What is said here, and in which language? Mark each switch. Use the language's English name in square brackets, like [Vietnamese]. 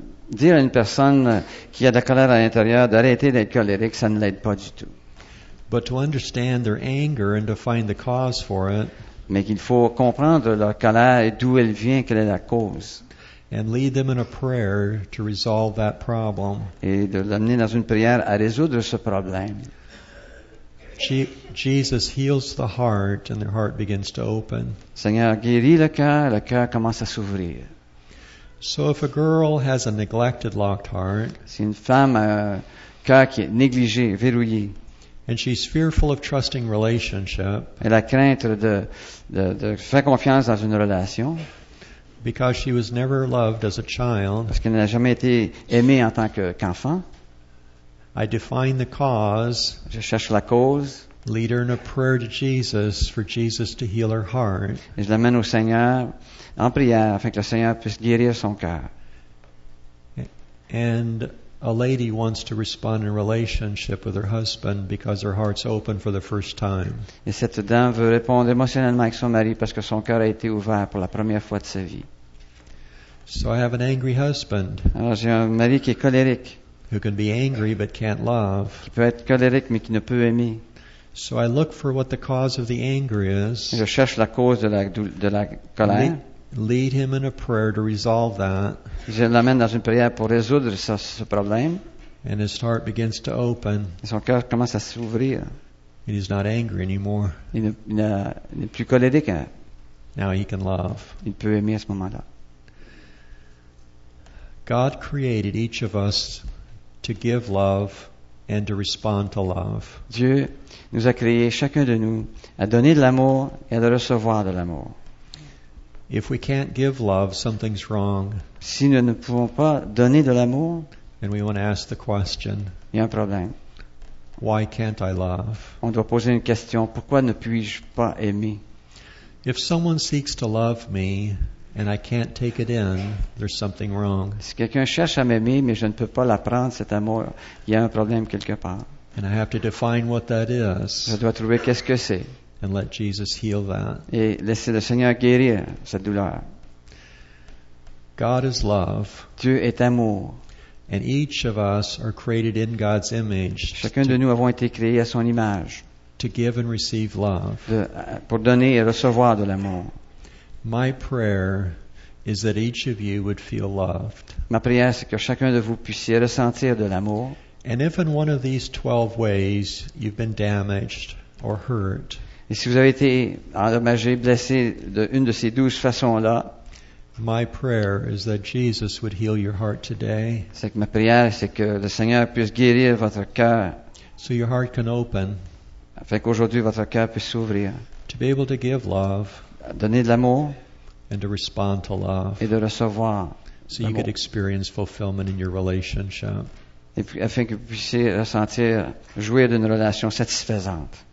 [French] Dire à une personne qui a de la colère à l'intérieur d'arrêter d'être colérique, ça ne l'aide pas du tout. [English] But to understand their anger and to find the cause for it. [French] Mais qu'il faut comprendre leur colère et d'où elle vient, quelle est la cause. [English] And lead them in a prayer to resolve that problem. [French] Et de l'amener dans une prière à résoudre ce problème. [English] Jesus heals the heart and their heart begins to open. [French] Seigneur guérit le cœur commence à s'ouvrir. [English] So if a girl has a neglected locked heart, [French] si une femme a un cœur qui est négligé, verrouillé, [English] and she's fearful of trusting relationship, [French] elle a crainte de faire confiance dans une relation, [English] because she was never loved as a child, [French] parce qu'elle n'a jamais été aimée en tant qu'enfant, [English] I define the cause. [French] Je cherche la cause. [English] Lead her in a prayer to Jesus for Jesus to heal her heart. [French] Et je l'amène au Seigneur en prière afin que le Seigneur puisse guérir son cœur. [English] And a lady wants to respond in relationship with her husband because her heart's open for the first time. [French] Et cette dame veut répondre émotionnellement avec son mari parce que son cœur a été ouvert pour la première fois de sa vie. [English] So I have an angry husband. [French] Alors j'ai un mari qui est colérique. [English] Who can be angry but can't love. [French] Qui peut être colérique mais qui ne peut aimer. [English] So I look for what the cause of the anger is. [French] Je cherche la cause de la colère. [English] Lead him in a prayer to resolve that. [French] Je l'amène dans une prière pour résoudre ce problème. [English] And his heart begins to open. [French] Et son cœur commence à s'ouvrir. [English] And he's not angry anymore. [French] Il n'est plus colérique. Hein? [English] Now he can love. [French] Il peut aimer à ce moment-là. [English] God created each of us to give love and to respond to love. [French] Dieu nous a créé chacun de nous à donner de l'amour et à le recevoir de l'amour. [English] If we can't give love, something's wrong. [French] Si nous ne pouvons pas donner de l'amour, [English] and we want to ask the question. [French] Il y a un problème. [English] Why can't I love? [French] On doit poser une question, pourquoi ne puis-je pas aimer? [English] If someone seeks to love me, and I can't take it in, there's something wrong. [French] Si quelqu'un cherche à m'aimer, mais je ne peux pas l'apprendre, cet amour, il y a un problème quelque part. [English] And I have to define what that is. [French] Je dois trouver qu'est-ce que c'est. [English] And let Jesus heal that. [French] Et laisser le Seigneur guérir cette douleur. [English] God is love. [French] Dieu est amour. [English] And each of us are created in God's image. [French] Chacun de nous avons été créés à son image. [English] To give and receive love. [French] Pour donner et recevoir de l'amour. [English] My prayer is that each of you would feel loved. [French] Ma prière c'est que chacun de vous puissiez ressentir de l'amour. [English] And if in one of these 12 ways you've been damaged or hurt. [French] Et si vous avez été endommagé, blessé de une de ces 12 façons-là. [English] My prayer is that Jesus would heal your heart today. [French] C'est que ma prière c'est que le Seigneur puisse guérir votre cœur. [English] So your heart can open. [French] Afin qu'aujourd'hui votre cœur puisse s'ouvrir. [English] to be able to give love, [French] donner de l'amour, [English] and to respond to love, [French] et de recevoir, [English] so you could experience fulfillment in your relationship. [French] Et puis, afin que vous puissiez ressentir, jouir d'une relation satisfaisante.